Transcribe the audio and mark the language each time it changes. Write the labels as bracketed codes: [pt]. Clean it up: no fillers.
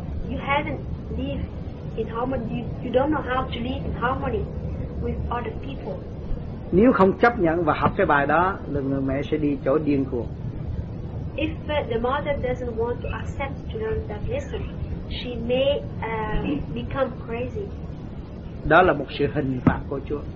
[en] You haven't lived in harmony. You don't know how to live in harmony with other people. [vi] Nếu không chấp nhận và học cái bài đó, là người mẹ sẽ đi chỗ điên cuồng. [en] If the mother doesn't want to accept to learn that lesson, she may become crazy. [vi] Đó là một sự hình phạt của Chúa.